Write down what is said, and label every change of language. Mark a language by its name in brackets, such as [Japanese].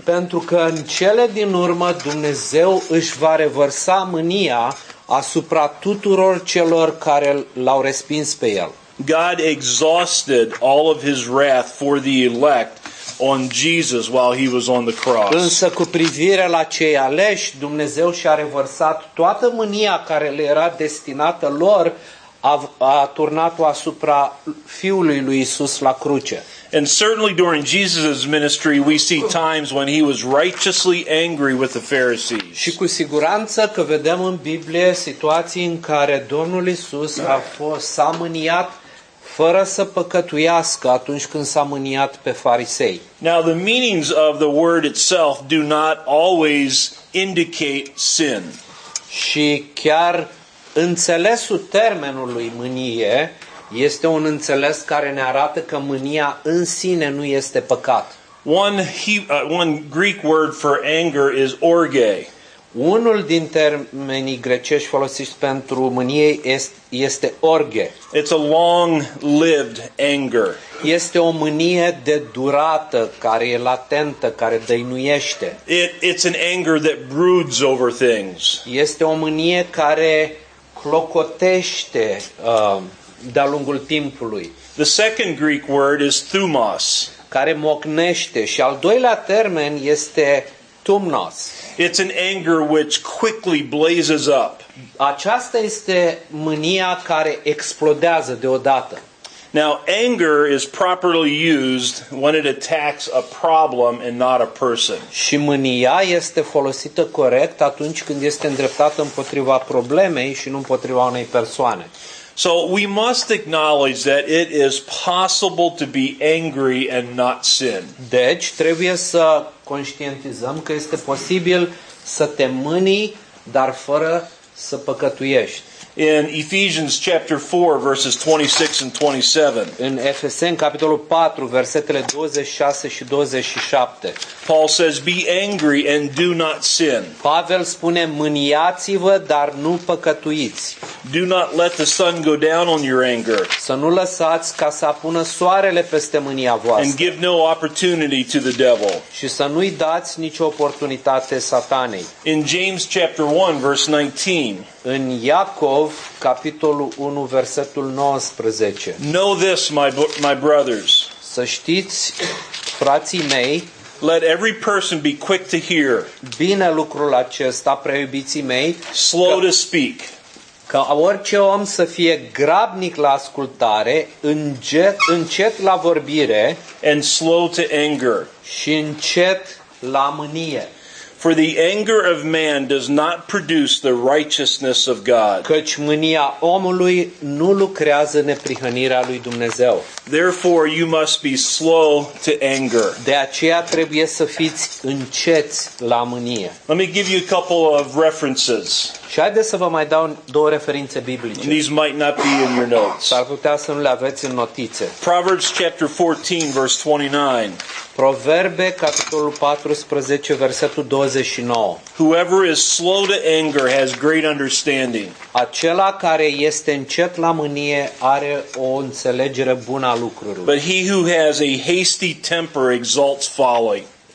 [Romanian] Pentru că în cele din urmă Dumnezeu își va revărsa mânia asupra tuturor celor care l-au respins pe el. [English] God exhausted all of his wrath for the elect on Jesus while he was on the cross. [Romanian] Însă cu privire la cei aleși, Dumnezeu și-a revărsat toată mânia care le era destinată lor, a turnat-o asupra fiului lui Isus la cruce. [English] And certainly during Jesus' ministry we see times when he was righteously angry with the Pharisees. [Romanian] Și cu siguranță că vedem în Biblie situații în care Domnul Isus a fost amâniat fără să păcătuiască atunci când s-a mâniat pe farisei. [English] Now the meanings of the word itself do not always indicate sin. [Romanian] Și chiar înțelesul termenului mânie este un înțeles care ne arată că mânia în sine nu este păcat. [English] One Greek word for anger is orge. [Romanian] Unul din termenii grecești folosiți pentru mânie este orge. [English] It's a long lived anger. [Romanian] Este o mânie de durată care e latentă, care dăinuiește. [English] It's an anger that broods over things. [Romanian] Este o mânie care clocotește de-a lungul timpului. [English] The second Greek word is thumos, [Romanian] care mocnește, și al doilea termen este thumnos. [English] It's an anger which quickly blazes up. [Romanian] Aceasta este mânia care explodează deodată. [English] Now, anger is properly used when it attacks a problem and not a person. [Romanian] Și mânia este folosită corect atunci când este îndreptată împotriva problemei și nu împotriva unei persoane. [English] So we must acknowledge that it is possible to be angry and not sin. [Romanian] Deci trebuie să conștientizăm că este posibil să te mânii, dar fără să păcătuiești. [English] In Ephesians chapter 4 verses 26 and 27. [Romanian] În Efeseni capitolul 4 versetele 26 și 27. [English] Paul says be angry and do not sin. [Romanian] Pavel spune mâniați-vă, dar nu păcătuiți. [English] Do not let the sun go down on your anger. [Romanian] Să nu lăsați ca să apună soarele peste mânia voastră. [English] And give no opportunity to the devil. [Romanian] Și să nu-i dați nicio oportunitate satanei. [English] In James chapter 1 verse 19. [Romanian] În Iacov capitolul 1 versetul 19. [English] Know this my brothers. [Romanian] Să știți, frații mei, [English] let every person be quick to hear. [Romanian] Bine lucrul acesta, preiubiții mei, [English] slow to speak. [Romanian] Ca orice om să fie grabnic la ascultare, încet la vorbire, [English] and slow to anger. [Romanian] Și încet la mânie. [English] For the anger of man does not produce the righteousness of God. [Romanian] Căci mânia omului nu lucrează neprihănirea lui Dumnezeu. [English] Therefore you must be slow to anger. [Romanian] De aceea trebuie să fiți înceți la mânie. [English] Let me give you a couple of references. [Romanian] Și haideți să vă mai dau două referințe biblice. [English] These might not be in your notes. [Romanian] S-ar putea să nu le aveți în notițe. [English] Proverbs chapter 14 verse 29. [Romanian] Proverbe capitolul 14 versetul 29. [English] Whoever is slow to anger has great understanding. [Romanian] Acela care este încet la mânie are o înțelegere bună a lucrurilor. [English] But he who has a hasty temper exalts folly.